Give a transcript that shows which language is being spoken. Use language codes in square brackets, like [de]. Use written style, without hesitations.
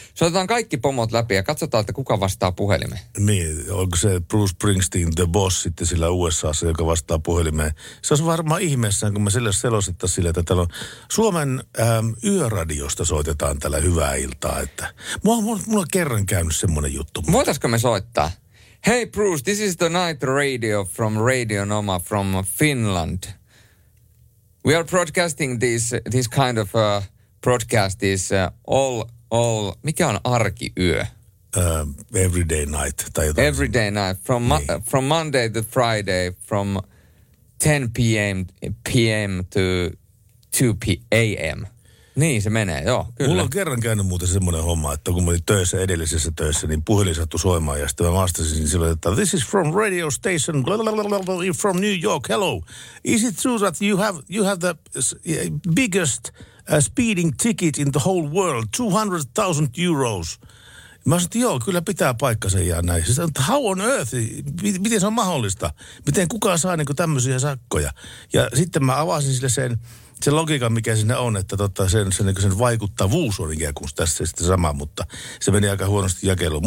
[fi] Soitetaan kaikki Pomot läpi ja katsotaan, että kuka vastaa puhelimeen. Niin, onko se Bruce Springsteen The Boss sitten sillä USA:ssa, joka vastaa puhelimeen. Se olisi varmaan ihmeessään, kun me sille selostettaisiin sille, että täällä on Suomen yöradiosta soitetaan tällä hyvää iltaa. Että mulla on kerran käynyt semmoinen juttu. Voitaisiko me soittaa? [en] Hey Bruce, this is the night radio from Radio Noma from Finland. We are broadcasting this kind of broadcast is all [fi] mikä on arkiyö? [en] Everyday night. Everyday night from Monday to Friday from 10 p.m. to 2 a.m. [fi] Niin, se menee, joo, kyllä. Mulla on kerran käynyt muuten semmoinen homma, että kun mä olin töissä, edellisessä töissä, niin puhelin sattui soimaan ja sitten mä vastasin niin silloin, että [en] this is from radio station, from New York, hello. Is it true that you have the biggest speeding ticket in the whole world, 200,000 euros? [fi] Mä sanoin, että joo, kyllä pitää paikkansa ja näin. Se sanoi, [en] how on earth? [fi] Miten se on mahdollista? Miten kukaan saa niin kuin tämmöisiä sakkoja? Ja sitten mä avasin sille sen. Se logiikka, mikä siinä on, että sen vaikuttavuus on ikään kuin tässä sitten sama, mutta se meni aika huonosti jakeluun.